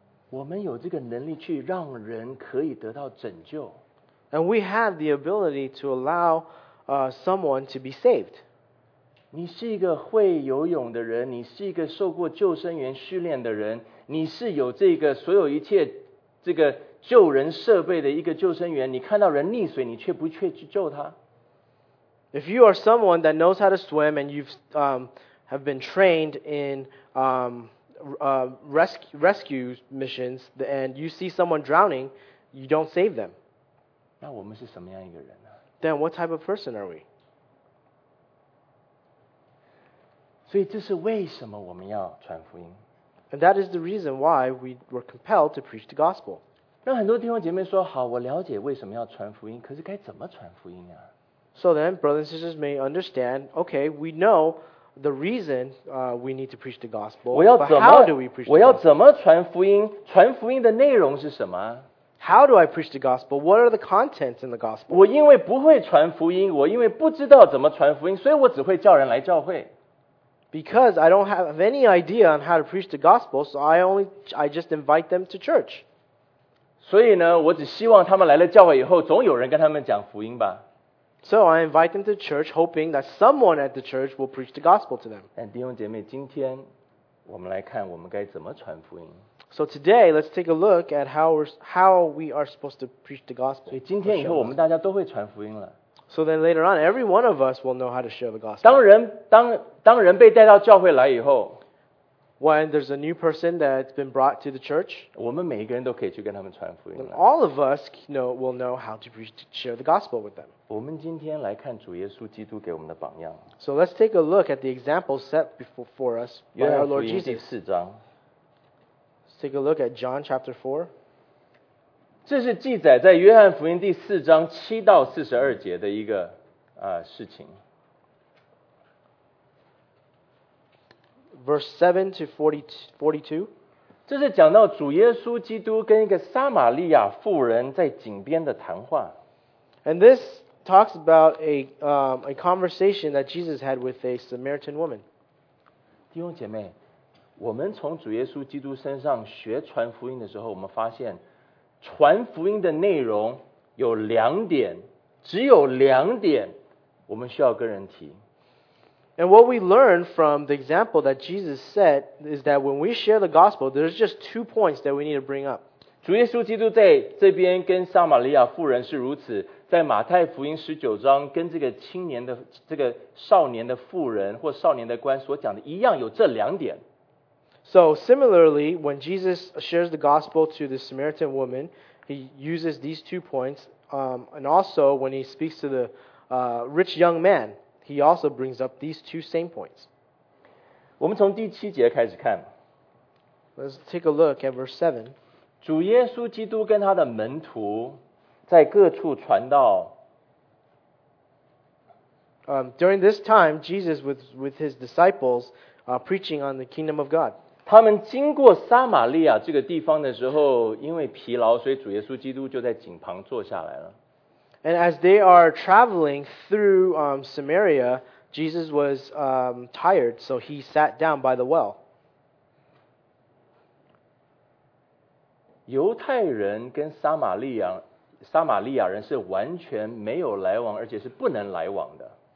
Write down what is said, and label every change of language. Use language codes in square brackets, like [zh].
[zh] 我们有这个能力去让人可以得到拯救。 [en] And we have the ability to allow someone to be saved. [zh] 你是一个会游泳的人，你是一个受过救生员训练的人，你是有这个所有一切这个救人设备的一个救生员，你看到人溺水，你却不去救他。 [en] If you are someone that knows how to swim and you've have been trained in rescue missions, and you see someone drowning, you don't save them. [zh] 那我们是什么样一个人呢？ [en] Then what type of person are we? [zh] 所以这是为什么我们要传福音。 [en] And that is the reason why we were compelled to preach the gospel. [zh] 那很多弟兄姐妹说，好，我了解为什么要传福音，可是该怎么传福音啊？ [en] So then, brothers and sisters may understand, okay, we know the reason we need to preach the gospel, but how do we preach the gospel? [zh] 我要怎么传福音？传福音的内容是什么？ [en] How do I preach the gospel? What are the contents in the gospel? [zh] 我因为不会传福音，我因为不知道怎么传福音，所以我只会叫人来教会。 [en] Because I don't have any idea on how to preach the gospel, so I just invite them to church. [zh] 所以呢，我只希望他们来了教会以后，总有人跟他们讲福音吧。 [en] So I invite them to church, hoping that someone at the church will preach the gospel to them. [zh] And 弟兄姐妹，今天我们来看我们该怎么传福音。 [en] So today, let's take a look at how we are supposed to preach the gospel. [zh] 所以今天以后，我们大家都会传福音了。 [en] So then later on, every one of us will know how to share the gospel. [zh] 当人被带到教会来以后 [en] ，when there's a new person that's been brought to the church, [zh] 我们每一个人都可以去跟他们传福音了。 [en] All of us will know how to share the gospel with them. [zh] 我们今天来看主耶稣基督给我们的榜样。 [en] So let's take a look at the example set before for us by our Lord Jesus. [zh] 第四章。 [en] Let's take a look at John chapter 4. [zh] 这是记载在约翰福音第四章七到四十二节的一个事情。 [en] Verse 7 to 42. [zh] 这是讲到主耶稣基督跟一个撒玛利亚妇人在井边的谈话。 [en] And this talks about a conversation that Jesus had with a Samaritan woman. [zh] 弟兄姐妹，我们从主耶稣基督身上学传福音的时候，我们发现传福音的内容有两点，只有两点我们需要跟人提。 [en] And what we learn from the example that Jesus set is that when we share the gospel, there's just two points that we need to bring up. [zh] 主耶稣基督在这边跟撒玛利亚妇人是如此。在马太福音十九章跟这个青年的这个少年的妇人或少年的官所讲的一样有这两点。 [en] So similarly, when Jesus shares the gospel to the Samaritan woman, he uses these two points. And also when he speaks to the rich young man, he also brings up these two same points. [zh] 我们从第七节开始看。 [en] Let's take a look at verse 7. [zh] 主耶稣基督跟他的门徒在各处传道。 [en] During this time, Jesus with his disciples preaching on the kingdom of God. [zh] 他们经过撒玛利亚这个地方的时候，因为疲劳，所以主耶稣基督就在井旁坐下来了。 [en] And as they are traveling through Samaria, Jesus was tired, so he sat down by the well. [zh] 犹太人跟撒玛利亚人是完全没有来往，而且是不能来往的。